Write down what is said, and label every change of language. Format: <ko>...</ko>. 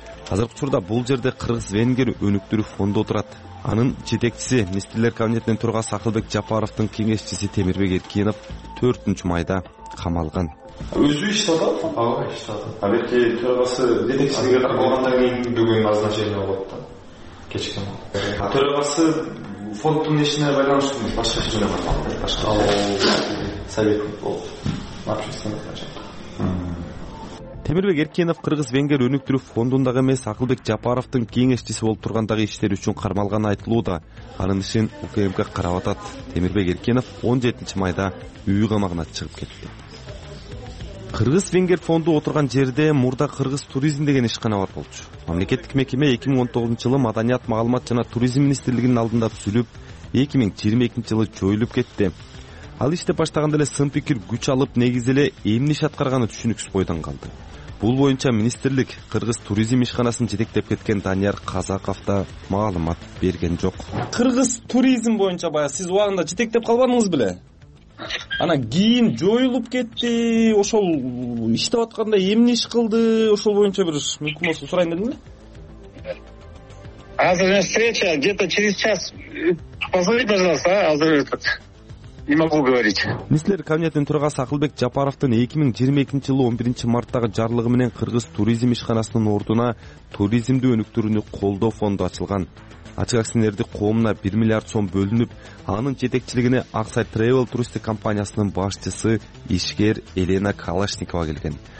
<ky>Азыркы учурда бул жерде кыргыз венгер өнүктүрүү фонду отурат. Анын жетекчиси министрлер кабинетинин төрагасы Акылбек Жапаровдун кеңешчиси Темирбек Эркинов 4 майда камалган. Өзү иштеп атат. Ага, иштеп атат. Албетте төрагасы жетекчиге кармагандан кийин бүгүн назначение болот да. Кечиген. Төрагасы фонддун ишине байланыштуу эмес, башка ишине байланыштуу. Башка совет болуп</ky> <ru>общественный начальник.</ru> <ky>Темирбек Эркенов кыргыз венгер өнүктүрүү фондундагы эмес, Акылбек Жапаровдун кеңешчиси болуп тургандагы иштер үчүн кармалганы айтылууда. Анын ишин УКМК карап атат. Темирбек Эркенов 17 майда үй камагына чыгып кетти. Кыргыз венгер фонду отурган жерде мурда кыргыз туризм деген ишкана бар болчу. Мамлекеттик мекеме 2019 жылы маданият, маалымат жана туризм министрлигинин алдында түзүлүп, 2022 жылы жоюлуп кетти. Ал иште баштаганда эле сын пикир күч алып, негизи эле эмне иш аткарганы түшүнүксүз бойдон калды. Бул боюнча министрлик кыргыз туризм ишканасын жетектеп кеткен Данияр Казаков да маалымат берген жок. Кыргыз туризм боюнча бая сиз убагында жетектеп калбадыңыз беле? Анан кийин жоюлуп кетти, ошол иштеп атканда эмне иш кылды, ошол боюнча бир мүмкүн болсо сурайын дедим беле?</ky> <ru>Азыр встреча где то через час. Позвоните, пожалуйста, азыр этот. Не могу говорить.</ru> <ky>Министр кабинетинин төрагасы Акылбек Жапаровдун 2022 жылы 11 марттагы жарлыгы менен кыргыз туризм ишканасынын ордуна туризмди өнүктүрүүнү колдоо фонду ачылган. Ачык акционерди коомуна 1 миллиард сом бөлүнүп, анын жетекчилигине Аксай Travel туристтик компаниясынын башчысы ишкер Елена Калашникова келген.</ky>